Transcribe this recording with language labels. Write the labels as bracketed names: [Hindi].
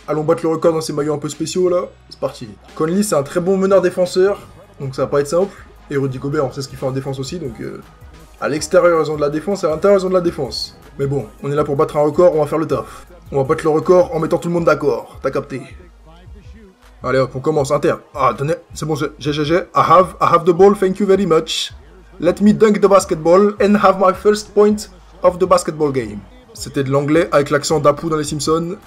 [French] Allons battre le record dans ces maillots un peu spéciaux, là. C'est parti. Conley, c'est un très bon meneur défenseur, donc ça va pas être simple. Et Rudy Gobert, on sait ce qu'il fait en défense aussi, donc... À l'extérieur, ils ont de la défense, à l'intérieur, ils ont de la défense. Mais bon, on est là pour battre un record, on va faire le taf. On va battre le record en mettant tout le monde d'accord, t'as capté. Allez, hop, on commence, inter. Ah, donnez... C'est bon, j'ai. [English] I have the ball, thank you very much. Let me dunk the basketball and have my first point of the basketball game. [French] C'était de l'anglais avec l'accent d'Apu dans les Simpsons.